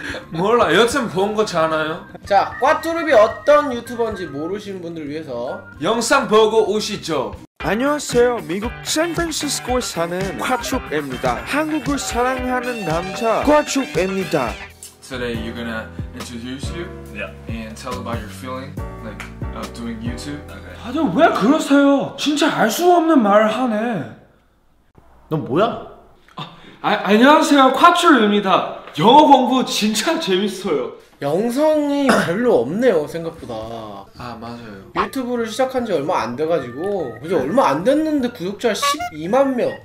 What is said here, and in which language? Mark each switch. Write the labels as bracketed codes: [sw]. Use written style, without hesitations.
[ko] 몰라. 여튼 본 거잖아요. 자, 꽈뚜룹이 어떤 유튜버인지 모르시는 분들을 위해서 영상 보고 오시죠. 안녕하세요. 미국 샌프란시스코에 사는 꽈뚜룹입니다. 한국을 사랑하는 남자 꽈뚜룹입니다. [en] Today you're gonna introduce you. Yeah. And tell about your feeling like of doing YouTube. Okay. [ko] 아니 왜 그러세요? 진짜 알 수 없는 말을 하네. 너 뭐야? 아, 안녕하세요. 콰츄루입니다. 영어 공부 진짜 재밌어요. 영상이 별로 없네요, 생각보다. 아, 맞아요. 유튜브를 시작한 지 얼마 안 돼가지고 그죠? 얼마 안 됐는데 구독자 12만 명.